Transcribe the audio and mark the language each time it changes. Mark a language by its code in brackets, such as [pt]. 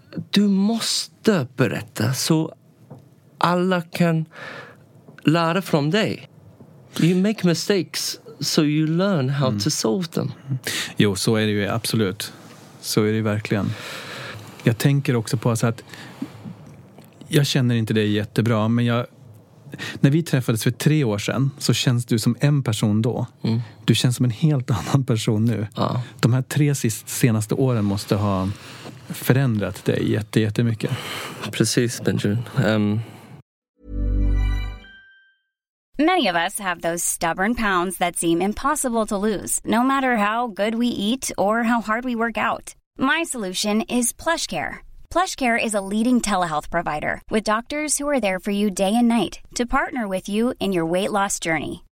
[sv] Du måste berätta så alla kan lära från dig. [en] You make mistakes, so you learn how to solve them. [sv] Jo, så är det ju absolut. Så är det verkligen. Jag tänker också på så att jag känner inte dig jättebra, men när vi träffades för 3 år sedan så känns du som en person då. Mm. Du känns som en helt annan person nu. Ja. De här 3 senaste åren måste ha förändrat dig jättemycket. Precis, Benjamin. [en] Many of us have those stubborn pounds that seem impossible to lose, no matter how good we eat or how hard we work out. My solution is PlushCare. PlushCare is a leading telehealth provider with doctors who are there for you day and night to partner with you in your weight loss journey.